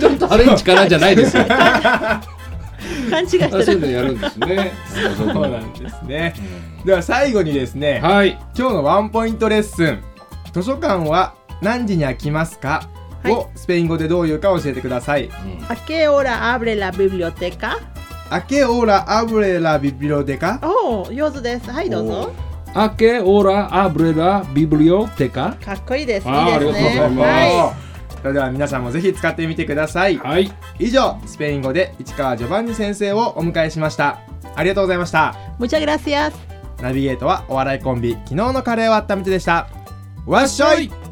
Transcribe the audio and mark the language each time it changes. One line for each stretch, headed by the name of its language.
Japanese: ちょっとハレンチかなじゃないですよ勘違いしてるそういうのやるんですねそうなんですねでは最後にですね、はい、今日のワンポイントレッスン図書館は何時に開きますか、はい、をスペイン語でどういうか教えてください、う
Spanish: ん、¿A qué hora abre la biblioteca? ¿A qué hora abre la biblioteca?
Japanese: おお、上手ですはいどうぞ
Spanish: ¿A qué hora abre la biblioteca?
Japanese: かっこいいですいいですねありがとうございます、はいそれでは皆さんもぜひ使ってみてください。はい。以上、スペイン語で市川ジョバンニ先生をお迎えしました。ありがとうございました。
Spanish: Muchas gracias。
Japanese: ナビゲートはお笑いコンビ、昨日のカレーを温めてでした。わっしょい！